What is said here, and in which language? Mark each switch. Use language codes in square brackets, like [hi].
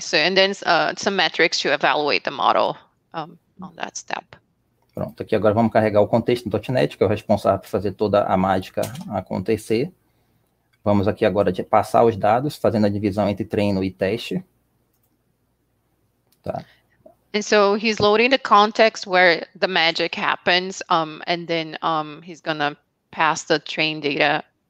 [en] So and then some metrics to evaluate the model on that step. [pt] Pronto. Aqui agora vamos carregar o contexto do .NET, que é o responsável por fazer toda a mágica acontecer. Vamos aqui agora de passar os dados, fazendo a divisão entre treino e teste. Tá. [en] And so he's loading the context where the magic happens, and then he's gonna pass the train data.